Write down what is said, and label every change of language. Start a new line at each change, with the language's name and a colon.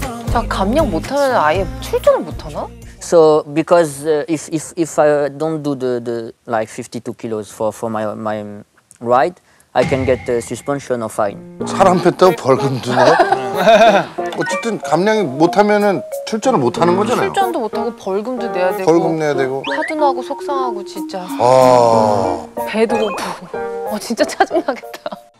Korean: 자 감량 못하면 아예 출전을 못하나?
English: So because if I don't do the like 52 kilos for my ride, I can get a suspension or fine.
Korean: 사람 뺐다고 벌금 주나? 어쨌든 감량이 못하면은 출전을 못하는 거잖아요. 출전도 못하고 벌금도 내야 되고. 벌금 내야 되고. 화두나고 속상하고 진짜. 아 배도 고프고. 어 진짜 짜증나겠다.